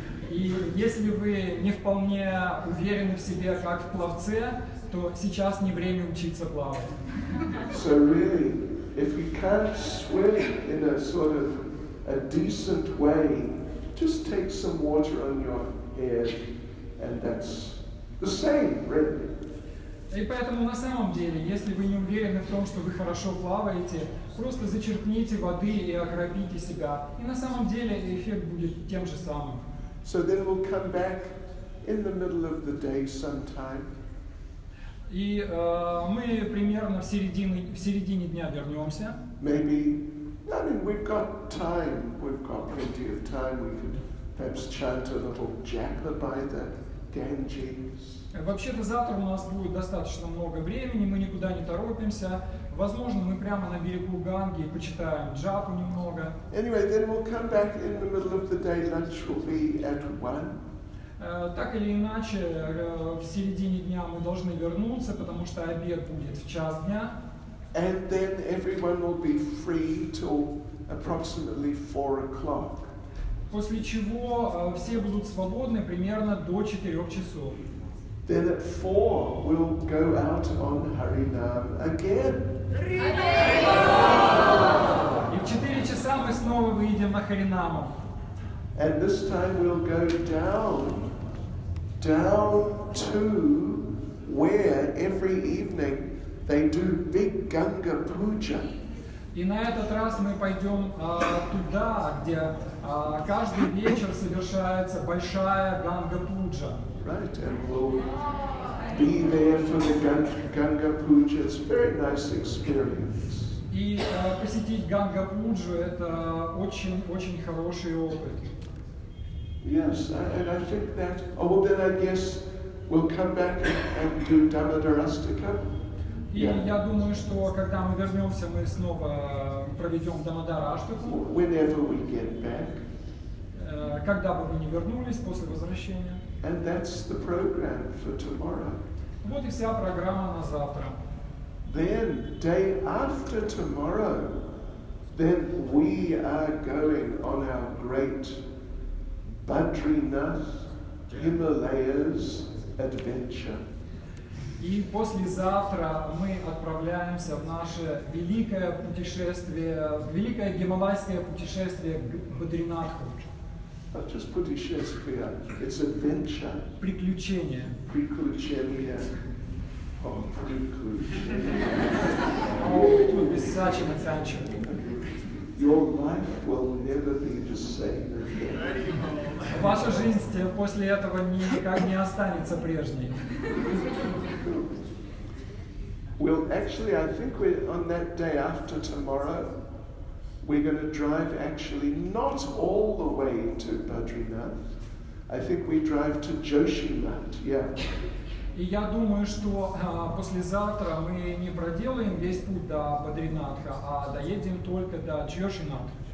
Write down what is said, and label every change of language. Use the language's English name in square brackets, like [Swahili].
[Russian] И если вы не вполне уверены в себе, как в пловце, то сейчас не время учиться плавать. [English] So really, if you can't swim in a sort of a decent way, just take some water on your head, and that's the same, really. [Russian] И поэтому на самом деле, если вы не уверены в том, что вы хорошо плаваете, просто зачерпните воды и ограбите себя. И на самом деле эффект будет тем же самым. [English] So then we'll come back in the middle of the day sometime. [Russian] И мы примерно в середине дня вернемся. [English] Maybe, I mean, we've got time. We've got plenty of time. We could perhaps chant a little japa by the Ganges. [Russian] Вообще-то завтра у нас будет достаточно много времени. Мы никуда не торопимся. Возможно, мы прямо на берегу Ганги почитаем джапу немного. [English] Anyway, then we'll come back in the middle of the day. Lunch will be at 1. [Russian] Так или иначе, в середине дня мы должны вернуться, потому что обед будет в час дня. [English] And then everyone will be free till approximately 4 o'clock. [Russian] После чего все будут свободны примерно до 4 часов. [English] Then at 4 we'll go out on Harinam again. Hare Bol! [Russian] И в мы снова выйдем на Харинаму. [English] And this time we'll go down, down to where every evening they do big Ganga Puja. [Russian] И на этот раз мы пойдем туда, где каждый вечер совершается большая Ганга Пуджа. [English] Right, and we'll be there for the Ganga Puja. It's a very nice experience. [Russian] И посетить Ганга Пуджу – это очень-очень хороший опыт. [English] Yes, and I think that, oh, well, then I guess we'll come back and do Damodarastika. [Russian] И yeah. Я думаю, что когда мы вернемся, мы снова проведем Дамодараштику. [English] Whenever we get back. [Russian] Когда бы мы не вернулись после возвращения. [English] And that's the program for tomorrow. [Russian] Вот и вся программа на завтра. [English] Then, day after tomorrow, then we are going on our great Badrinath Himalayas adventure. [Russian] И послезавтра мы отправляемся в наше великое путешествие, великое гималайское путешествие Бадринатху. [English] Not just путешествие, it's adventure. [Russian] Приключение. Приключение. Oh, приключение. [English] Oh, it will be such an adventure. Your life will never be the same again. [Russian] Ваша жизнь после этого никак не останется прежней. [English] Well, actually, I think on that day after tomorrow, we're going to drive actually not all the way to Badrinath. I think we drive to Joshimath, yeah. [Russian] И я думаю, что послезавтра мы не проделаем весь путь до Бадринатха, а доедем только до Джошиматы.